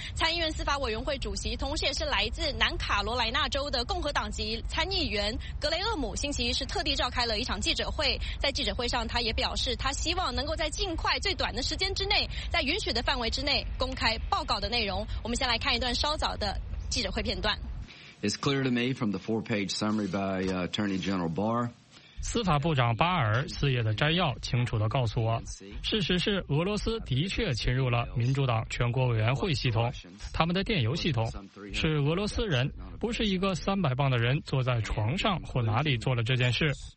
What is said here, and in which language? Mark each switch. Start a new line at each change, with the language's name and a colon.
Chinese: 参议院司法委员会主席同时也是来自南卡罗来纳州的共和党籍参议员格雷厄姆星期一是特地召开了一场记者会，在记者会上他也表示，他希望能够在尽快最短的时间之内，在允许的范围之内公开报告的内容。我们先来看一段稍早的记者会片段。
English: It's clear to me from the 4-page summary by Attorney General Barr。
Chinese: 司法部长巴尔4页的摘要清楚地告诉我，事实是俄罗斯的确侵入了民主党全国委员会系统，他们的电邮系统，是俄罗斯人，不是一个300磅的人坐在床上或哪里做了这件事。